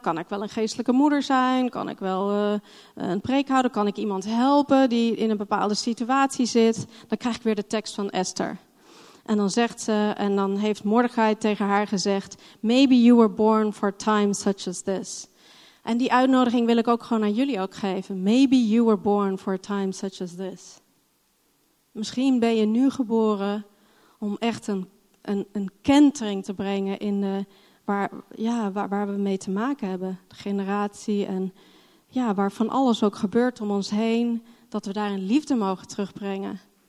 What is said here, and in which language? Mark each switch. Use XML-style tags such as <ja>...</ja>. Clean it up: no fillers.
<nl>Kan ik wel een geestelijke moeder zijn? Kan ik wel een preek houden? Kan ik iemand helpen die in een bepaalde situatie zit? Dan krijg ik weer de tekst van Esther. En dan zegt ze, en dan heeft Mordechai tegen haar gezegd,</nl> <en>maybe you were born for times such as this.</en> <nl>En die uitnodiging wil ik ook gewoon aan jullie ook geven.</nl> <en>Maybe you were born for times such as this.</en> <nl>Misschien ben je nu geboren om echt een kentering te brengen in de waar we mee te maken hebben. De generatie en waar van alles ook gebeurt om ons heen, dat we daar een liefde mogen terugbrengen.</nl>